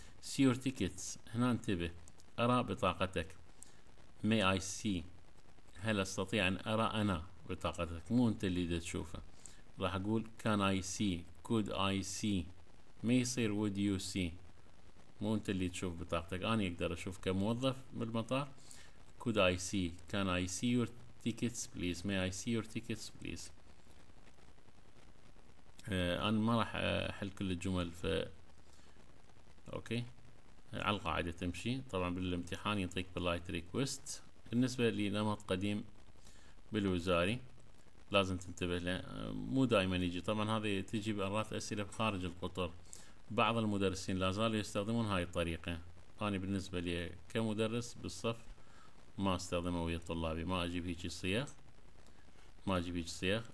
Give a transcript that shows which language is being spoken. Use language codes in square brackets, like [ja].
[en] see your tickets، [ar] هنا انتبه، أرى بطاقتك، [en] may I see، [ar] هل أستطيع أن أرى أنا بطاقتك، مو انت اللي ده تشوفه، راح اقول [en] can I see، could I see، [ar] ما يصير [en] would you see، [ar] مو انت اللي تشوف بطاقتك، انا اقدر اشوف كموظف بالمطار. [en] could I see، can I see your tickets please، may I see your tickets please. [ar] انا ما راح احل كل الجمل، ف اوكي على القاعدة تمشي. طبعا بالامتحان يعطيك [en] polite request، [ar] بالنسبة لنمط قديم بالوزاري لازم تنتبه له، مو دائما يجي، طبعا هذه تجي بأرات أسئلة خارج القطر، بعض المدرسين لازالوا يستخدمون هاي الطريقة، أنا بالنسبة لي كمدرس بالصف ما استخدمه ويا طلابي، ما أجيب هيك الصيغ.